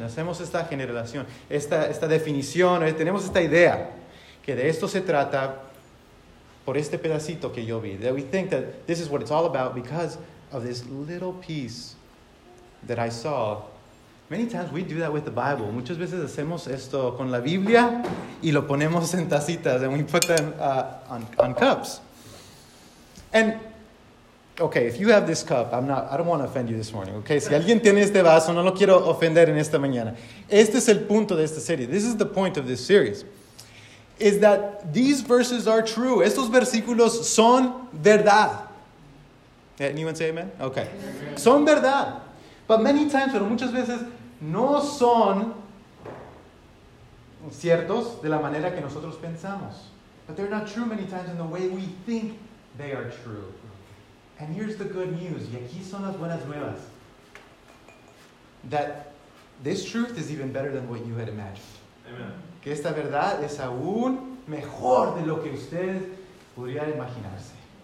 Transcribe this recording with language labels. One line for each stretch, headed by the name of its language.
Spanish: Hacemos esta generalización, esta definición. Tenemos esta idea que de esto se trata por este pedacito que yo vi.
English: That we think that this is what it's all about because of this little piece that I saw. Many times we do that with the Bible.
Spanish: Muchas veces hacemos esto con la Biblia y lo ponemos en tacitas,
English: and we put them on cups. And okay, if you have this cup, I don't want to offend you this morning.
Spanish: Okay, si alguien tiene este vaso, no lo quiero ofender en esta mañana. Este es el punto de esta serie.
English: This is the point of this series. Is that these verses are true.
Spanish: Estos versículos son verdad.
English: Anyone say amen? Okay.
Spanish: Son verdad.
English: But many times,
Spanish: pero muchas veces, no son ciertos de la manera que nosotros pensamos.
English: But they're not true many times in the way we think they are true. And here's the good news.
Spanish: Y aquí son las buenas nuevas.
English: That this truth is even better than what you had imagined. Amen.
Spanish: Que esta verdad es aún mejor de lo que usted podría imaginarse.